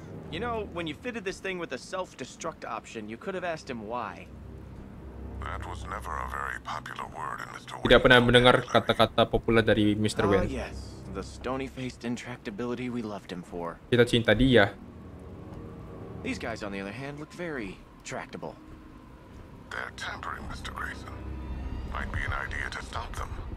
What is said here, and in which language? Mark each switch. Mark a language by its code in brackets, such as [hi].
[en] You know, when you fitted this thing with a self-destruct option, you could have asked him why. That was never a very popular word in Mr. Wayne. [id] Tidak pernah mendengar kata-kata populer dari Mr. Wayne. [en] Oh yes, the stony-faced intractability we loved him for. [id] Kita cinta dia. [en] These guys, on the other hand, look very tractable. They're tampering, Mr. Grayson. Might be an idea to stop them.